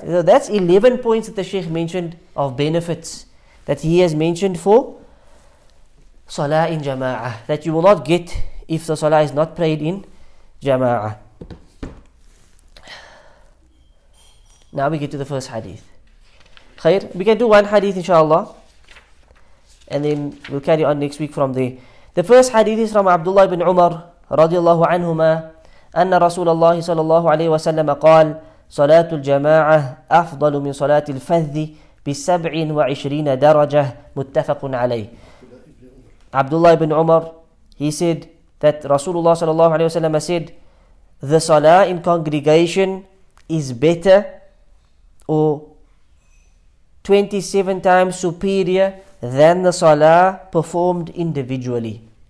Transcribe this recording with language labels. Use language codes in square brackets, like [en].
[en] So that's 11 points that the Sheikh mentioned of benefits that he has mentioned for salah in jama'ah, that you will not get if the salah is not prayed in jama'ah. Now we get to the first hadith. Khair, we can do one hadith inshallah, and then we'll carry on next week from there. The first hadith is from Abdullah ibn Umar radiallahu anhuma. [ar] أن رسول الله صلى الله عليه وسلم قال صلاة الجماعة أفضل من صلاة الفذ ب27 درجة متفق عليه. [en] Abdullah ibn Umar, he said that Rasulullah صلى الله عليه وسلم said the salah in congregation is better or 27 times superior than the salah performed individually.